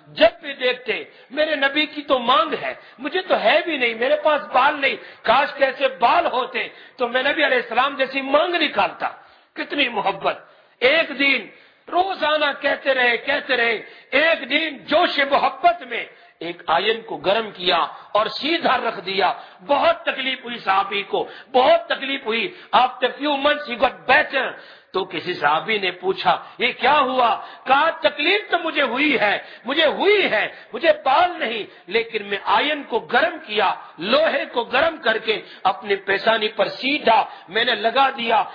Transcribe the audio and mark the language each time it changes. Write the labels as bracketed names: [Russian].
[Urdu] جب بھی دیکھتے میرے نبی کی تو مانگ ہے, مجھے تو ہے بھی نہیں, میرے پاس بال نہیں, کاش کے ایسے بال ہوتے تو میں نبی علیہ السلام جیسی مانگ نکالتا. کتنی محبت. ایک دن روزانہ کہتے رہے ایک دن جوش محبت میں ایک آئن کو گرم کیا اور سیدھا رکھ دیا. بہت تکلیف ہوئی صحابی کو, بہت تکلیف ہوئی. [English] After few months he got better. [Urdu] تو کسی صحابی نے پوچھا یہ کیا ہوا, کہا تکلیف تو مجھے ہوئی ہے, مجھے بال نہیں, لیکن میں آئن کو گرم کیا, لوہے کو گرم کر کے اپنی پیشانی پر سیدھا میں نے لگا دیا.